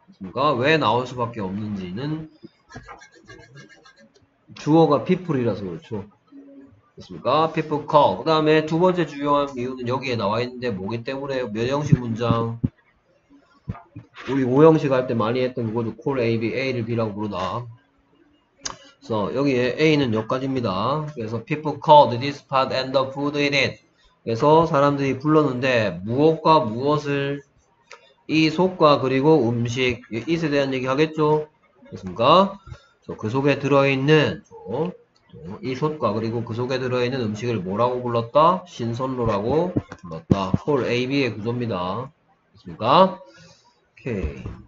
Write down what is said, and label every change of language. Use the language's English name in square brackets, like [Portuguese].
[Korean] 그러니까 왜 나올 수밖에 없는지는 주어가 피플이라서 그렇죠. 그렇습니까? [English] People call. [Korean] 그 다음에 두 번째 중요한 이유는 여기에 나와 있는데 뭐기 때문에 몇 형식 문장 우리 5형식 할때 많이 했던 그거죠. call A, B, A를 B라고 부르다. 그래서 여기에 A는 여기까지입니다. [English] 그래서 people called this pot and the food in it. [Korean] 그래서 사람들이 불렀는데 무엇과 무엇을 이 속과 그리고 음식 it에 대한 얘기 하겠죠. 그렇습니까? 그 속에 들어있는 이 솥과 그리고 그 속에 들어있는 음식을 뭐라고 불렀다? 신선로라고 불렀다. 콜 AB의 구조입니다. 그렇습니까? 오케이.